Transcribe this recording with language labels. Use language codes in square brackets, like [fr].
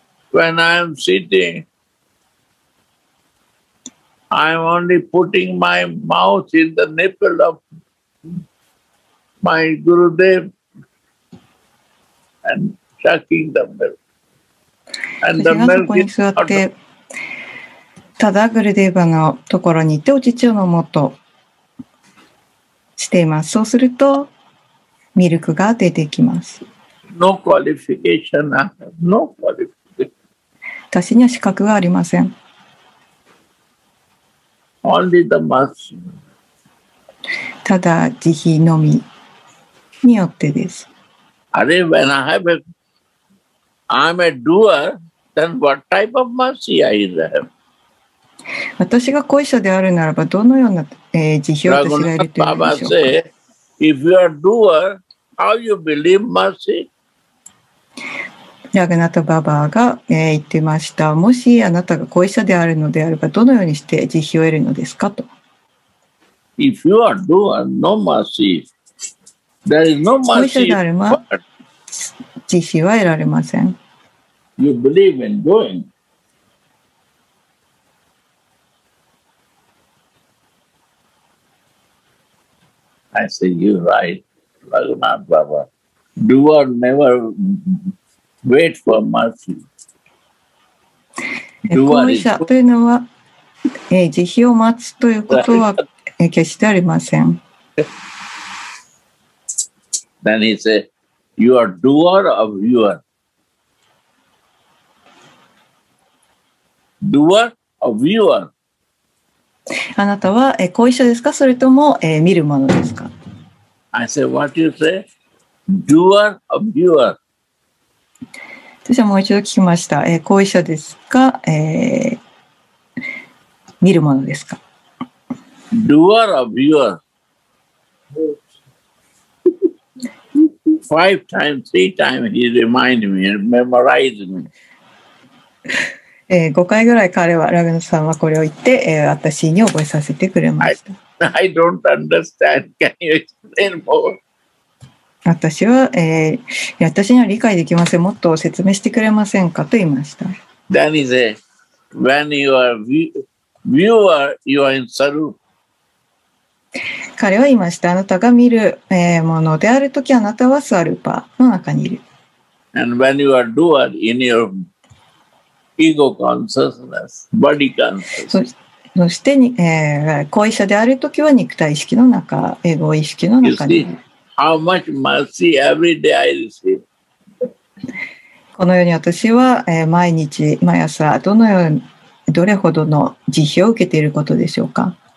[en] When I'm sitting, I'm only putting my mouth in the nipple of my Gurudev and sucking the milk. And the milk is not... [ja] ただグルデーバのところに行ってお乳を飲もうとしています。そうするとミルクが出てきます。 [en] No qualification. No qualification. [ja] 私には資格がありません。 [en] Only the mass. [ja] ただ慈悲のみによってです。 [en] あれ、when I have a, I'm a doer, then what type of mercy I have? [ja] 私が行為者であるならば、どのような、慈悲を私が得ているでしょうか。 [en] Baba say, if you are doer, how you believe mercy? [ja] ラグナタババアが、言ってました。もしあなたが後遺者であるのであればどのようにして慈悲を得るのですかと。 [en] If you are doer, no mercy. There is no mercy. [ja] 後遺者であれば慈悲は得られません。 [en] You believe in doing. I say you're right, ラグナタババア.Doer never... Wait for mercy. [ja] 行為者というのは、慈悲を待つということは決してありません。 [en] Then he said, you are doer of viewer. Doer of viewer. [ja] あなたは行為者ですか、それとも、見るものですか。 [en] I said, what you say? doer or viewer? [ja] 私はもう一度聞きました。後遺者ですか、見るものですか。 [en] Doer or viewer? Five times, three times he reminded me and memorized me. [ja] 5回ぐらい彼はラグナさんはこれを言って、私に覚えさせてくれました。 [en] I don't understand. Can you explain more? [ja] 私は、私には理解できません。もっと説明してくれませんかと言いました。 [en] Then he said, when you are viewer, you are in Saru. [ja] 彼は言いました。あなたが見る、ものであるときあなたはサルパの中にいる。 [en] And when you are doer in your ego consciousness, body consciousness. [ja] そして、後遺者であるときは肉体意識の中、エゴ意識の中に。 [en] How much mercy every day I receive. [ja] このように私は、毎日、毎朝、どのように、どれほどの慈悲を受けていることでしょうか。